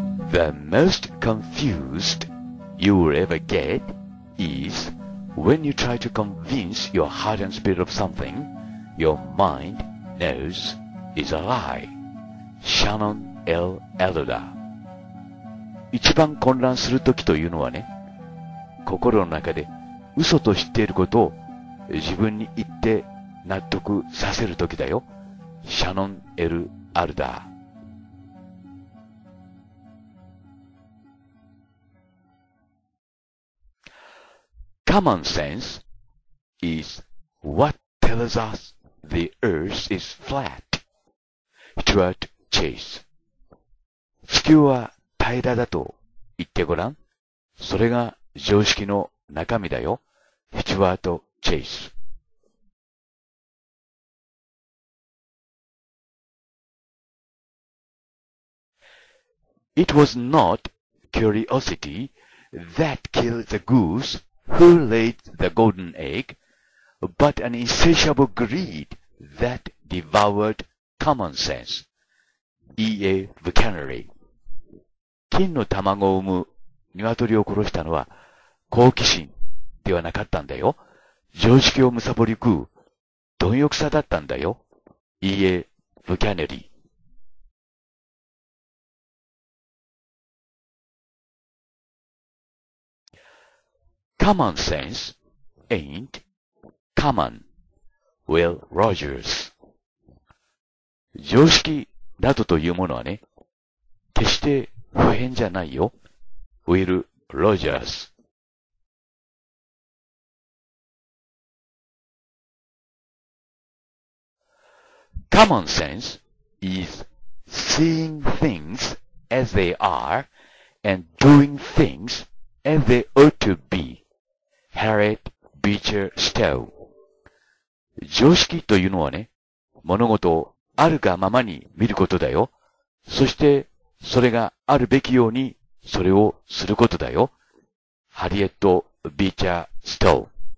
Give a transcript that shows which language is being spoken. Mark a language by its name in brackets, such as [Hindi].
[English] The most confused you will ever get is when you try to convince your heart and spirit of something your mind knows is a lie. Shannon L. Elder。 [Japanese] 一番混乱する時というのはね、心の中で嘘と知っていることを自分に言って納得させる時だよ。 Shannon L. Elder。 [English] Common sense is what tells us the earth is flat. Stuart Chase。 [Japanese] 地球は平らだと言ってごらん。それが常識の中身だよ。 Stuart Chase。 [English] It was not curiosity that killed the gooseWho laid the golden egg, but an insatiable greed that devoured common sense. E.A. Buchanan。 [Japanese] 金の卵を産む鶏を殺したのは好奇心ではなかったんだよ。常識を貪り食う貪欲さだったんだよ。いいえ、ブキャネリー。 [English] Common sense ain't common, Will Rogers. [Japanese] 常識などというものはね、決して普遍じゃないよ、Will Rogers. [English] Common sense is seeing things as they are and doing things as they ought to be. Harriet Beecher Stowe。 [Japanese] 常識というのはね、物事をあるがままに見ることだよ。そしてそれがあるべきようにそれをすることだよ。ハリエット・ビーチャー・ストウ。